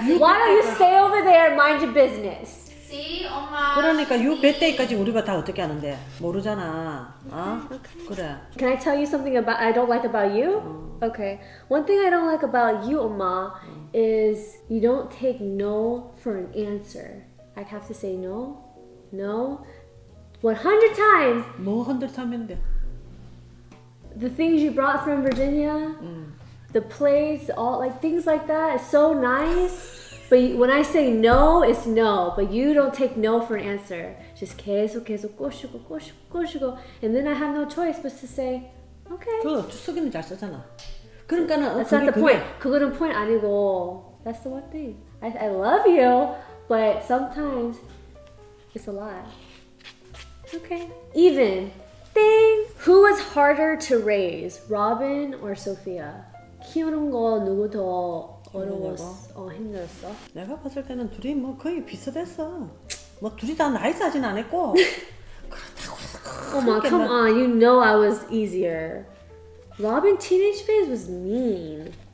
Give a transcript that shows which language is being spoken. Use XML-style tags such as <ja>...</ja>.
<en>why don't you stay over there and mind your business?</en> <ko>있지, 엄마. 그러니까 요 배때까지 우리가 다 어떻게 하는데 모르잖아. 아, 그래.</ko> <en>Can I tell you something about I don't like about you? Okay. One thing I don't like about you, 엄마, is you don't take no for an answer. I'd have to say no, no, 100 times.</en> <ko>뭐</ko> <en>100 times</en> <ko>인데?</ko> <en>The things you brought from Virginia. The plates, all like things like that, it's so nice. But when I say no, it's no. But you don't take no for an answer. Just</en> <ko>계속 꼬시고 꼬시고 꼬시고,</ko> <en>and then I have no choice but to say, okay.</en> <ko>그 추석이면 잘 쓰잖아. 그러니까는</ko> <en>that's not the point.</en> <ko>그거는 point 아니고.</ko> <en>That's the one thing. I love you, but sometimes it's a lot. Okay. Even thing. Who was harder to raise, Robin or Sophia?</en> <ko>키우는 거 누구 더 어려웠어? 힘들었어? 내가 봤을 때는 둘이 뭐 거의 비슷했어. 뭐 둘이 다 나이 차진 안 했고. 그렇다고.</ko> <en>Oh my, come on. You know I was easier. Robin teenage phase was mean.</en>